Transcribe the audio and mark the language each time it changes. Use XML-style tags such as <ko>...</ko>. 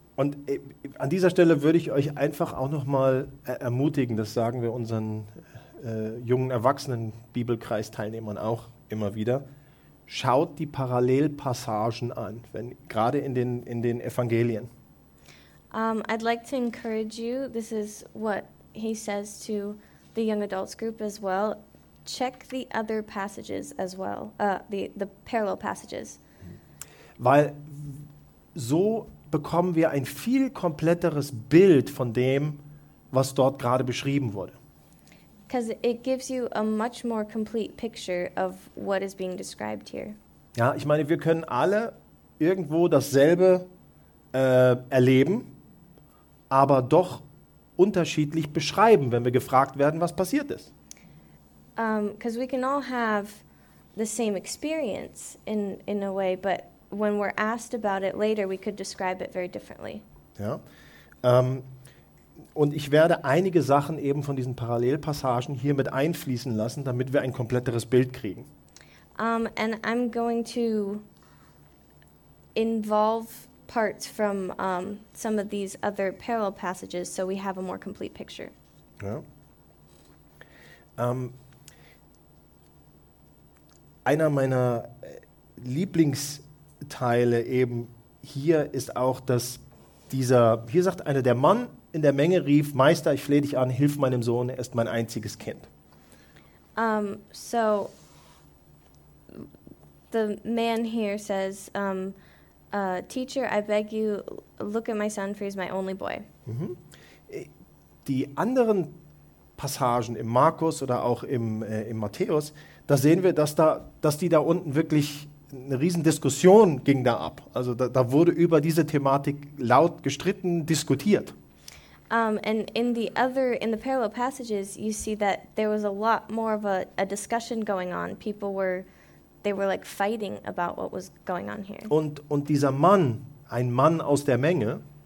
<de>Und an dieser Stelle würde ich euch einfach auch nochmal ermutigen, das sagen wir unseren jungen erwachsenen Bibelkreisteilnehmern auch immer wieder, schaut die Parallelpassagen an, wenn gerade in den Evangelien.</de> <en>I'd like to encourage you, this is what he says to the young adults group as well, check the other passages as well, the parallel passages.</en> <de>Weil so bekommen wir ein viel kompletteres Bild von dem, was dort gerade beschrieben wurde.</de> <en>Because it gives you a much more complete picture of what is being described here.</en> <de>Ja, ich meine, wir können alle irgendwo dasselbe erleben. Aber doch unterschiedlich beschreiben, wenn wir gefragt werden, was passiert ist.</de> <en>Because we can all have the same experience in a way, but when we're asked about it later, we could describe it very differently.</en> <de>Ja. Und ich werde einige Sachen eben von diesen Parallelpassagen hier mit einfließen lassen, damit wir ein kompletteres Bild kriegen.</de> <en>And I'm going to involve parts from some of these other parallel passages so we have a more complete picture.</en> <de>Ja. Einer meiner Lieblingsteile eben hier ist auch, dass dieser, hier sagt einer, der Mann in der Menge rief, Meister, ich flehe dich an, hilf meinem Sohn, er ist mein einziges Kind.</de> <en>So, the man here says, teacher, I beg you, look at my son, for he's my only boy. Mhm.</en> <de>Die anderen Passagen im Markus oder auch im Matthäus, da sehen wir, dass die da unten wirklich eine riesen Diskussion ging da ab. Also da wurde über diese Thematik laut gestritten, diskutiert.</de> <en>And in the other, in the parallel passages, you see that there was a lot more of a discussion going on. People were, they were like fighting about what was going on here.</en> <de>Und dieser Mann, ein Mann aus der Menge.</de>